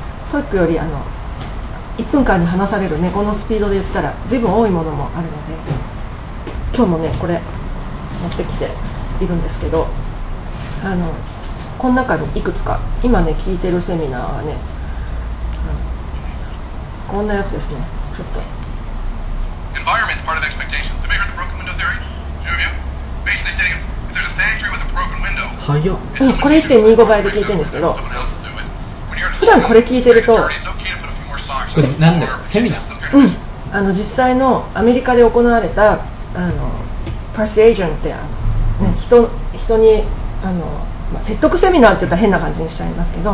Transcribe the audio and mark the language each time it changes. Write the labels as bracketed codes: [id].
[ja] TOEIC よりあの1分間に話される、ね、このスピードで言ったら随分多いものもあるので、今日もねこれ持ってきているんですけど、あのこの中にいくつか今ね聞いてるセミナーはね、うん、こんなやつですね。ちょっと [en] Environment's part of expectations. Have you heard the broken window theory? Do you? Basically saying if there's a factory with a broken window. [ja] はい、うん、これ 1.25 倍で聞いてるんですけど、普段これ聞いてるとこれ何ですか、セミナー、うん、あの実際のアメリカで行われたあのパーシエージョンってあの、ね、人にあのまあ、説得セミナーって言ったら変な感じにしちゃいますけど、